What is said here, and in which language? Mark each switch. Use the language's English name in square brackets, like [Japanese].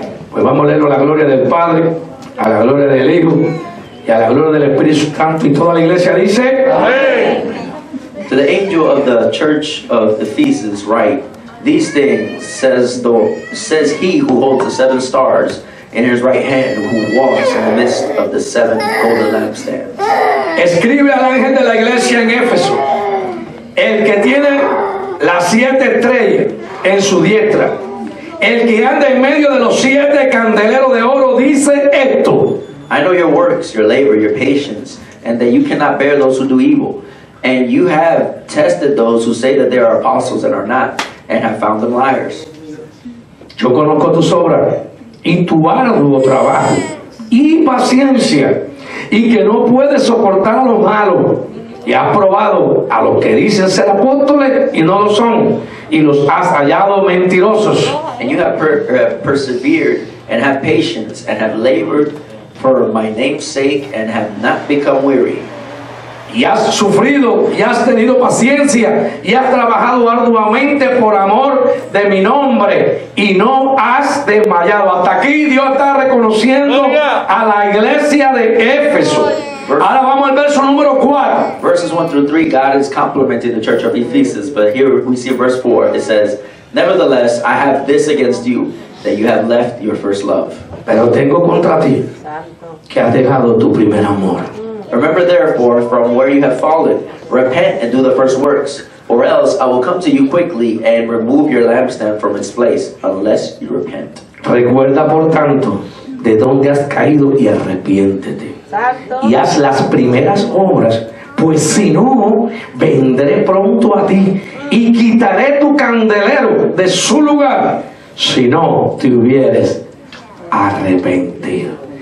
[Spanish] Pues vamos a leerlo a la gloria del Padre, a la gloria del Hijo y a la gloria del Espíritu Santo, y toda la iglesia dice [English] to the angel of the church of Ephesus write these things, says he who holds the seven stars in his right hand, who walks in the midst of the seven golden lampstands. [Spanish] Escribe al ángel de la iglesia en Éfeso, el que tiene las siete estrellas en su diestra, el que anda en medio de los siete candeleros de oro, dice esto. [English] I know your works, your labor, your patience, and that you cannot bear those who do evil. And you have tested those who say that they are apostles and are not, and have found them liars. [Spanish] Yo conozco tus obras, y tu arduo trabajo, y paciencia, y que no puedes soportar a los malos. Y has probado a los que dicen ser apóstoles y no lo son, y los has hallado mentirosos. [English] And you have persevered and have patience and have labored for my name's sake and have not become weary. [Spanish] Y has sufrido y has tenido paciencia y has trabajado arduamente por amor de mi nombre y no has desmayado. Hasta aquí Dios está reconociendo a la iglesia de Éfeso. Ahora vamos al verso número 4. [English] Verses 1 through 3, God is complimenting the church of Ephesus. But here we see verse 4. It says, nevertheless, I have this against you, that you have left your first love. [Spanish] Pero tengo contra ti, que has dejado tu primer amor. [English] Remember therefore from where you have fallen, repent and do the first works, or else I will come to you quickly and remove your lampstand from its place, unless you repent. [Spanish] Recuerda por tanto de donde has caído y arrepiéntete. Y haz las primeras obras, pues si no, vendré pronto a ti y quitaré tu candelero de su lugar, si no te hubieres arrepentido.